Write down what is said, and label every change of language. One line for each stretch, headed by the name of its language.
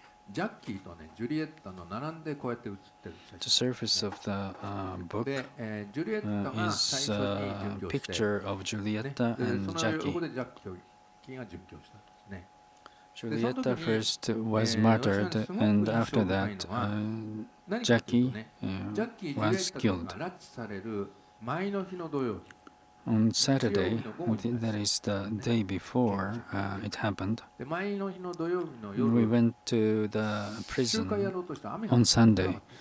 Japanese: ジャッキーと、ね、ジュリエッタの並んでこうやって写ってる写真。
English: The surface of the book
Japanese: で、ジュリエッタが最初に殉教して、
English: picture of Julietta and Jackie.
Japanese: その横でジャッキーが殉教したんですね。
English: Julietta first was martyred, and after that, Jackie was killed.
Japanese: ジャッキー、ジュリエッタが拉致される前の日の土曜日。
English: On Saturday, that is the day before it happened, we went to the prison on Sunday.